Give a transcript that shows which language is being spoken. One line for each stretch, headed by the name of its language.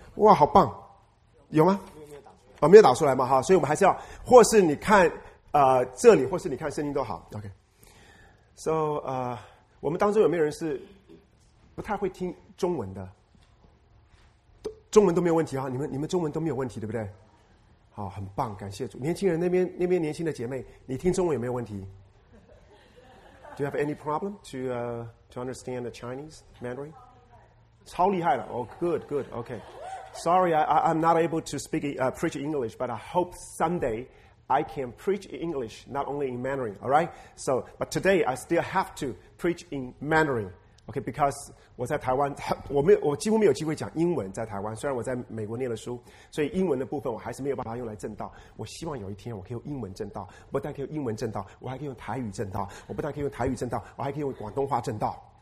Chinese: 哇，好棒，有吗？哦，没有打出来嘛？哈，所以我们还是要，或是你看这里，或是你看圣经都好。
English: OK， so
Chinese: 我们当中有没有人是不太会听中文的？中文都没有问题啊，你们中文都没有问题，对不对？好，很棒，感谢主。年轻人那边年轻的姐妹，你听中文有没有问题 ？
English: Do you have any problem to understand the Chinese Mandarin？
Chinese: 超厉害了
English: ，Oh good good OK。 Sorry, I'm not able to speak preach English, but I hope someday I can preach in English, not only in Mandarin. All right. So, but today I still have to preach in Mandarin. Okay, because
Chinese: 我在台湾，我几乎没有机会讲英文在台湾。虽然我在美国念了书，所以英文的部分我还是没有办法用来证道。我希望有一天我可以用英文证道，不但可以用英文证道，我还可以用台语证道。我不但可以用台语证道，我还可以用广东话证道。